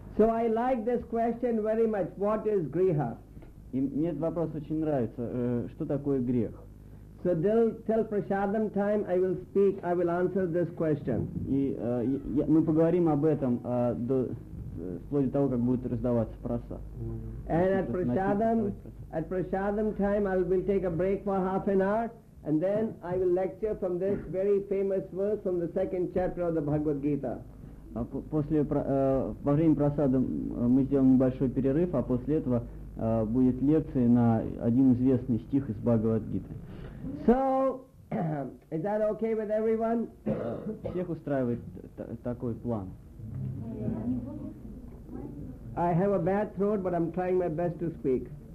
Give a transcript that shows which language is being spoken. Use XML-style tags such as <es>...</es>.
<en>So I like this question very much. What is griha?</en> <ru>И мне этот вопрос очень нравится. Что такое грех?</ru> <en>So till prasadam time I will speak, I will answer this question.</en> <ru>И мы поговорим об этом вплоть до того, как будет раздаваться прасад.</ru> <en>And at prasadam, at prasadam time, I will take a break for half an hour, and then I will lecture from this very famous verse from the second chapter of the Bhagavad Gita.</en> <ru>После во время прасада мы сделаем небольшой перерыв, а после этого будет лекция на один известный стих из Бхагавад-гиты.</ru> <en>So, is that okay with everyone?</en> <ru>Всех устраивает такой план.</ru> <en>I have a bad throat, but I'm trying my best to speak.</en>